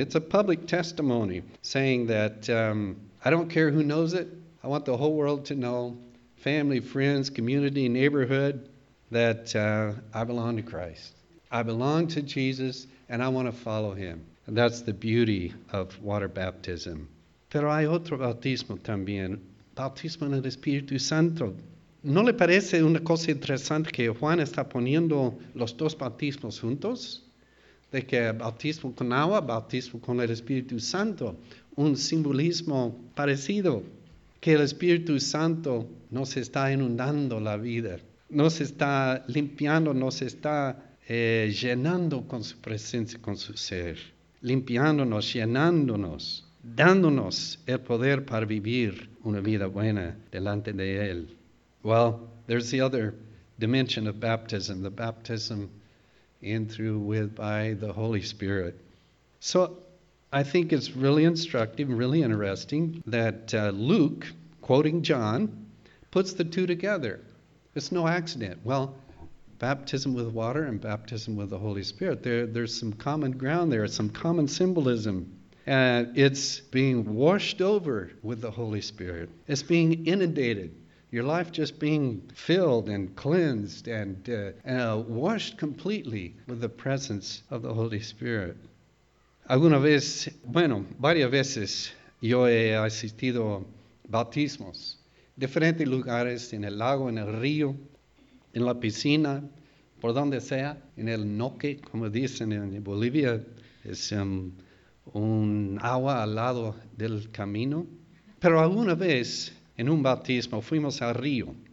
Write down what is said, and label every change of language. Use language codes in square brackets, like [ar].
[en] It's a public testimony saying that I don't care who knows it. I want the whole world to know, family, friends, community, neighborhood, that I belong to Christ. I belong to Jesus, and I want to follow Him. And that's the beauty of water baptism. [es] Pero hay otro bautismo también, bautismo en el Espíritu Santo. ¿No le parece una cosa interesante que Juan está poniendo los dos bautismos juntos? De que bautismo con agua, bautismo con el Espíritu Santo, un simbolismo parecido. Que el Espíritu Santo nos está inundando la vida, nos está limpiando, nos está llenando con su presencia, con su ser. Limpiándonos, llenándonos, dándonos el poder para vivir una vida buena delante de Él. [en] Well, there's the other dimension of baptism, the baptism in, through, with, by the Holy Spirit. So I think it's really instructive, really interesting that Luke, quoting John, puts the two together. It's no accident. Well, baptism with water and baptism with the Holy Spirit, there's some common ground there, some common symbolism. It's being washed over with the Holy Spirit. It's being inundated. Your life just being filled and cleansed and washed completely with the presence of the Holy Spirit. [es] Alguna vez, bueno, varias veces yo he asistido a bautismos. Diferentes lugares, en el lago, en el río, en la piscina, por donde sea, en el noque, como dicen en Bolivia, es un agua al lado del camino. Pero alguna vez, en un bautismo, fuimos al río.